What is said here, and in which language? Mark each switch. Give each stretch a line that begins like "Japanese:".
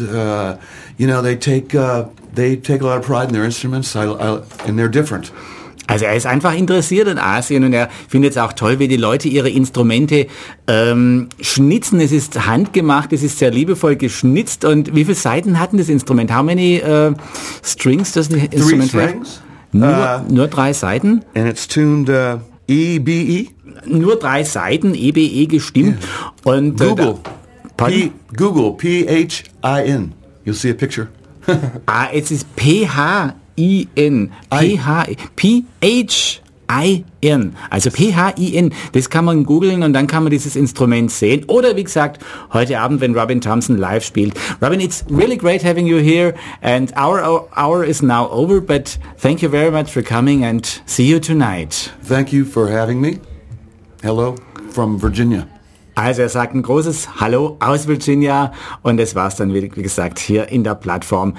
English: You know, they take a lot of pride in their instruments, and they're different.
German: Also er ist einfach interessiert in Asien und er findet es auch toll, wie die Leute ihre Instrumente schnitzen. Es ist handgemacht, es ist sehr liebevoll geschnitzt. Und wie viele Saiten hat denn das Instrument?
English: How many strings does the instrument have?
German: Nur drei Saiten?
English: And it's tuned E-B-E?
German: Nur drei Saiten, E-B-E gestimmt. Yeah. Und
English: Google. Google, P-H-I-N. You'll see a picture.
German: Ah, es ist P-H-I-N. P-H-I-N. Also P-H-I-N. Das kann man googeln und dann kann man dieses Instrument sehen. Oder wie gesagt, heute Abend, wenn Robin Thompson live spielt.
English: Robin, it's really great having you here. And our is now over, but thank you very much for coming and see you tonight. Thank you for having me. Hello from Virginia.
German: Also er sagt ein großes Hallo aus Virginia und das war's dann, wie gesagt, hier in der Plattform.